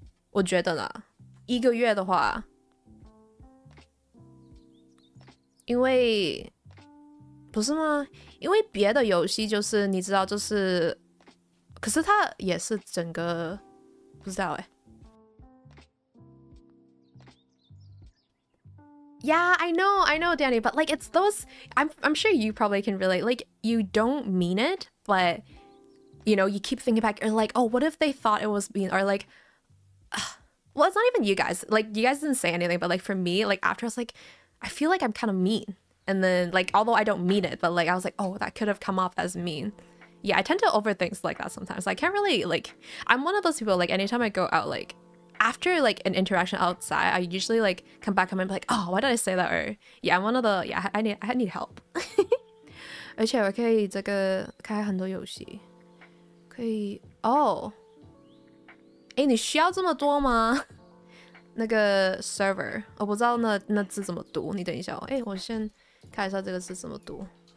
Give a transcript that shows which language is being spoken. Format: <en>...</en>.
<zh>我觉得呢， 一个月的话， 因为， 不是吗？因为别的游戏就是你知道就是， 可是它也是整个， 不知道耶。</zh> <en>Yeah, I know, Danny, but like it's those, I'm sure you probably can relate, like you don't mean it, but you know, you keep thinking back, you're like, oh, what if they thought it was mean, or like, well, it's not even you guys, like you guys didn't say anything, but like for me, like after I was like, I feel like I'm kind of mean, and then like, although I don't mean it, but like, I was like, oh, that could have come off as mean. Yeah, I tend to overthink like that sometimes. I can't really, like, I'm one of those people, like anytime I go out, like, after like an interaction outside, I usually like come back home and be like, oh, why did I say that? Or yeah, I'm one of the, yeah, I need help.</en> <zh>而且我可以这个开很多游戏， 可以， oh. 诶，你需要这么多吗？那个server， 我不知道那字怎么读， 你等一下哦。诶，我先看一下这个字怎么读。</zh>